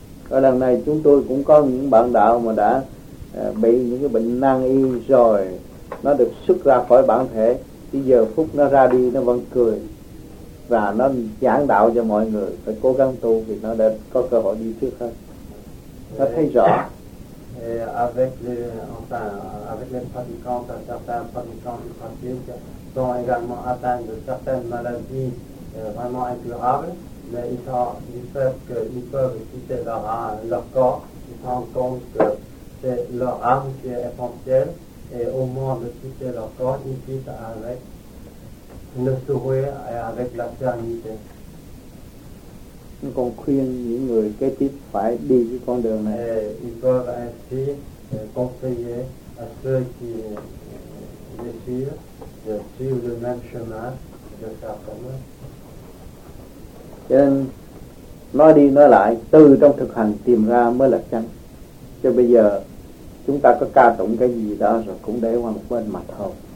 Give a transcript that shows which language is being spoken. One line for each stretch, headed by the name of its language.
Vietnamese: Ở lần này, chúng tôi cũng có những bạn đạo mà đã bị những cái bệnh nan y rồi. Nó được xuất ra khỏi bản thể. Chỉ giờ phút nó ra đi, nó vẫn cười. Và nó giảng đạo cho mọi người phải cố gắng tu vì nó đã có cơ hội đi trước hơn. Nó thấy rõ.
French: Et avec les, enfin, avec les pratiquants, certains pratiquants qui pratiquent sont également atteints de certaines maladies vraiment incurables, mais ils sont, du fait qu'ils peuvent quitter leur corps, ils se rendent compte que c'est leur âme qui est essentielle, et au moment de quitter leur corps, ils quittent avec le sourire et avec la sérénité.
Vietnamese: Nhưng còn khuyên những người kế tiếp phải đi cái con đường này.
French: Et ils peuvent ainsi conseiller à ceux qui les suivent de suivre le même chemin, de faire comme eux.
Vietnamese: Cho nên nói đi nói lại, từ trong thực hành tìm ra mới là chân. Cho bây giờ chúng ta có ca tụng cái gì đó rồi cũng để qua một bên mặt thôi.